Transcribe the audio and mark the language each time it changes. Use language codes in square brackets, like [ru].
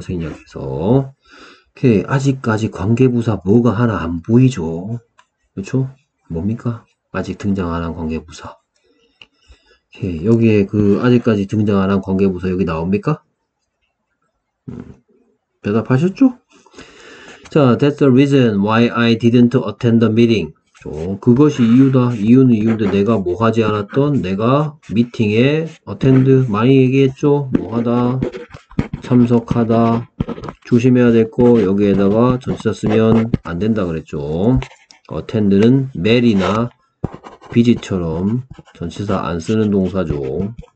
[ko] 생략해서. 오케이. 아직까지 관계부사 뭐가 하나 안 보이죠? 그렇죠? 뭡니까? 아직 등장 안한 관계부사. 오케이. 여기에 그 아직까지 등장 안한 관계부사 여기 나옵니까? 대답하셨죠? [en] 자, that's the reason why I didn't attend the meeting. [ko] 그것이 이유다. 이유는 이유인데 내가 뭐 하지 않았던 내가 미팅에 attend 많이 얘기했죠? 뭐 하다? 참석하다. 조심해야 될거 여기에다가 전치사 쓰면 안 된다 그랬죠. attend는 mail이나 비지처럼 전치사 안 쓰는 동사죠.